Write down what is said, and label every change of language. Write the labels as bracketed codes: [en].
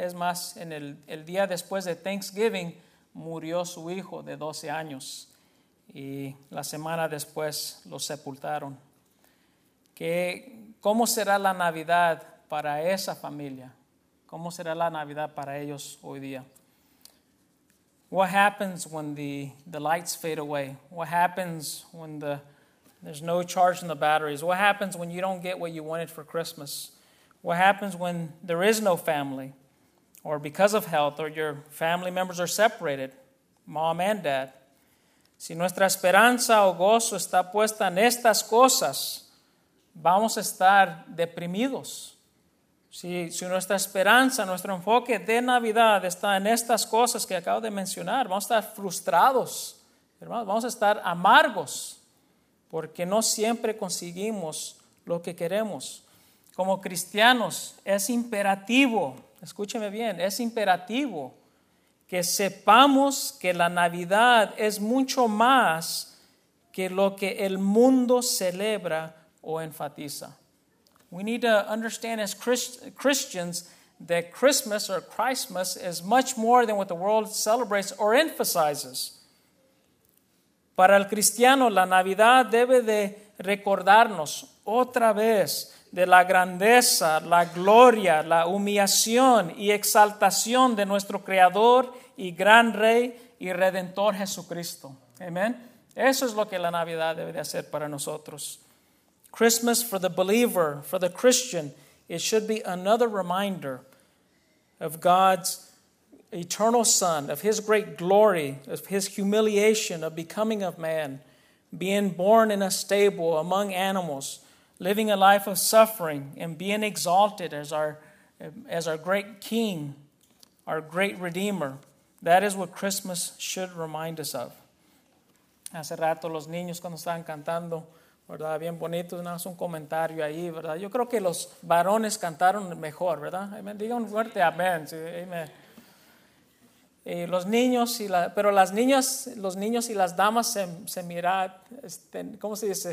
[es] Es más, en el día después de Thanksgiving murió su hijo de 12 años y la semana después lo sepultaron. ¿Cómo será la Navidad para esa familia? ¿Cómo será la Navidad para ellos hoy día? [en] What happens when the lights fade away? What happens when there's no charge in the batteries? What happens when you don't get what you wanted for Christmas? What happens when there is no family? or because of health, or your family members are separated, mom and dad, [es] si nuestra esperanza o gozo está puesta en estas cosas, vamos a estar deprimidos. Si nuestra esperanza, nuestro enfoque de Navidad está en estas cosas que acabo de mencionar, vamos a estar frustrados, hermanos, vamos a estar amargos, porque no siempre conseguimos lo que queremos. Como cristianos, es imperativo, escúcheme bien, es imperativo que sepamos que la Navidad es mucho más que lo que el mundo celebra o enfatiza. [en] We need to understand as Christians that Christmas or Christmas is much more than what the world celebrates or emphasizes. [es] Para el cristiano, la Navidad debe de recordarnos otra vez de la grandeza, la gloria, la humillación y exaltación de nuestro Creador y Gran Rey y Redentor Jesucristo. Amen. Eso es lo que la Navidad debe de hacer para nosotros. [en] Christmas for the believer, for the Christian, it should be another reminder of God's eternal Son, of His great glory, of His humiliation, of becoming of man, being born in a stable among animals, living a life of suffering, and being exalted as our great King, our great Redeemer. That is what Christmas should remind us of. [es] Hace rato los niños cuando estaban cantando, ¿verdad? Bien bonito, nada más un comentario ahí, ¿verdad? Yo creo que los varones cantaron mejor, ¿verdad? Amen. Diga un fuerte amén. Sí, amén. Y los niños y los niños y las damas se miran, ¿cómo se dice?